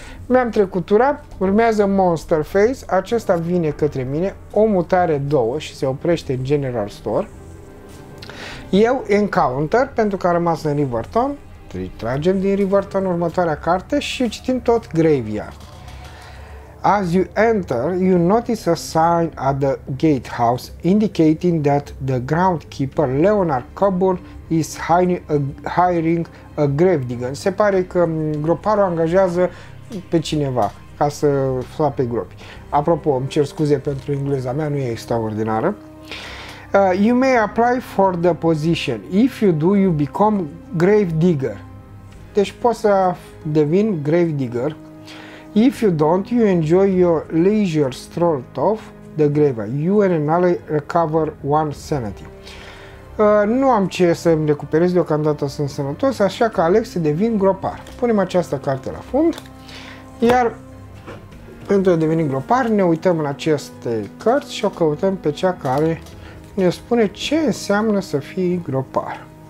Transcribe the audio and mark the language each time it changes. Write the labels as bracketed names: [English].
[Romanian] Mi-am trecut tura, urmează Monster Phase, acesta vine către mine, o mutare 2 și se oprește în General Store. Eu Encounter, pentru că a rămas în River Town, tragem din River Town următoarea carte și citim tot Graveyard. [English] As you enter, you notice a sign at the gatehouse indicating that the groundkeeper Leonard Coburn is hiring a gravedigger. [Romanian] Se pare că groparul angajează pe cineva ca să sape gropi. Apropo, îmi cer scuze pentru engleza mea, nu e extraordinară. [English] You may apply for the position. If you do, you become gravedigger. [Romanian] Deci pot să devin gravedigger. [English] If you don't, you enjoy your leisure stroll off the grave. You and an ally recover one sanity. [Romanian] Nu am ce să-mi recuperez, deocamdată sunt sănătos, așa că aleg să devin gropar. Punem această carte la fund. Iar pentru a deveni gropar, ne uităm în aceste cărți și o căutăm pe cea care ne spune ce înseamnă să fii gropar.